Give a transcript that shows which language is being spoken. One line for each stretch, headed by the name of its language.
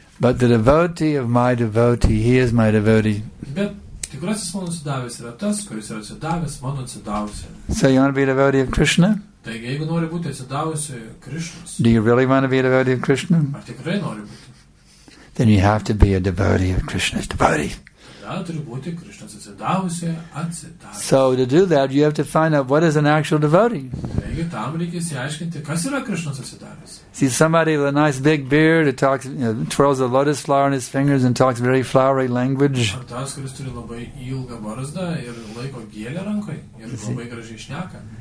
English: But the devotee of my devotee, he is my devotee.
Lithuanian: Bet tikrasis mano atsidavęs yra tas, kuris yra atsidavęs mano atsidavusiam.
English: So you want to be a devotee of Krishna?
Lithuanian: Taigi, jeigu nori būti atsidavusiu Krishnos,
English: do you really want to be a devotee of Krishna?
Lithuanian: Ar tikrai nori būti?
English: Then you have to be a devotee of Krishna's devotee.
Lithuanian: Tada turi būti Krishnos atsidavusiu, atsidavusiu.
English: So to do that, you have to find out what is an actual devotee.
Lithuanian: Taigi, tam reikia išsiaiškinti, kas yra Krishnos atsidavęs.
English: See somebody with a nice big beard, talks, you know, twirls a lotus flower in his fingers and talks very flowery language.
Lithuanian: Ar tas, kuris turi labai ilgą barzdą ir laiko gėlę rankoje ir labai gražiai šneka.